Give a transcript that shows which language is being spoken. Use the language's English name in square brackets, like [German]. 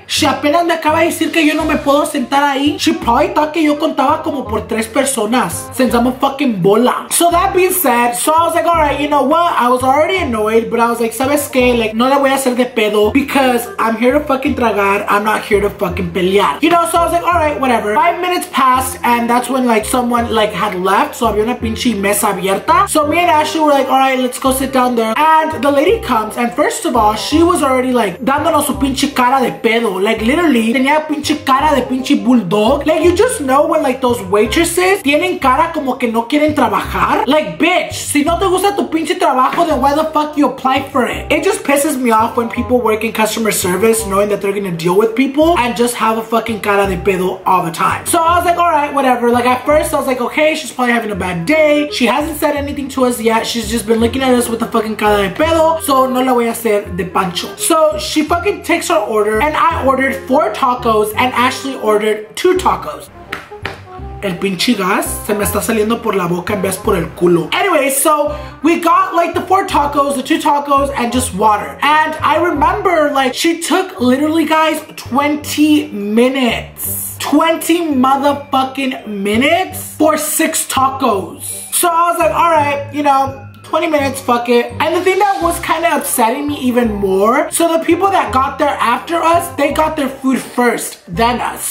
[Spanish] She apenas me acaba de decir que yo no me puedo sentar ahí. [English] She probably thought [Spanish] que yo contaba como por 3 personas, [English] since I'm a fucking bola. So that being said, so I was like, alright, you know what? I was already annoyed, but I was like, [Spanish] sabes que? Like, no le voy a hacer de pedo, [English] because I'm here to fucking [Spanish] tragar. [English] I'm not here to fucking pelear. You know, so I was like, alright, whatever. 5 minutes passed and that's when like someone like had left. So [Spanish] había una pinche mesa abierta. [English] So me and Ashley were like, like, all right, let's go sit down there. And the lady comes, and first of all, she was already like, [Spanish] dándonos su pinche cara de pedo. [English] Like, literally, [Spanish] tenía pinche cara de pinche bulldog. [English] Like, you just know when, like, those waitresses [Spanish] tienen cara como que no quieren trabajar. [English] Like, bitch, [Spanish] si no te gusta tu pinche trabajo, [English] then why the fuck you apply for it? It just pisses me off when people work in customer service knowing that they're gonna deal with people and just have a fucking [Spanish] cara de pedo [English] all the time. So I was like, all right, whatever. Like, at first, I was like, okay, she's probably having a bad day. She hasn't said anything to us yet. She's just been looking at us with a fucking [Spanish] cara de pedo. So no la voy a hacer de pancho. [English] So she fucking takes her order, and I ordered 4 tacos, and Ashley ordered 2 tacos. [Spanish] El pinche gas se me está saliendo por la boca en vez por el culo. [English] Anyway, so we got like the 4 tacos, the 2 tacos, and just water. And I remember, like, she took literally, guys, 20 minutes. 20 motherfucking minutes for 6 tacos. So I was like, all right, you know, 20 minutes, fuck it. And the thing that was kind of upsetting me even more, so the people that got there after us, they got their food first, then us.